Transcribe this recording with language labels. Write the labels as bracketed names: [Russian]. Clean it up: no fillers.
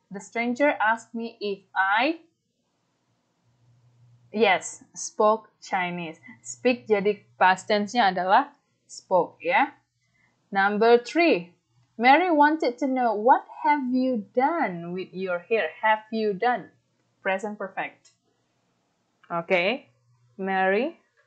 [English] The stranger asked me if I, yes, spoke Chinese. [Indonesian] Speak, jadi past tense-nya adalah spoke, ya. [English] Yeah? Number three, Mary wanted to know, what have you done with your hair? Have you done? Present perfect. Okay, Mary.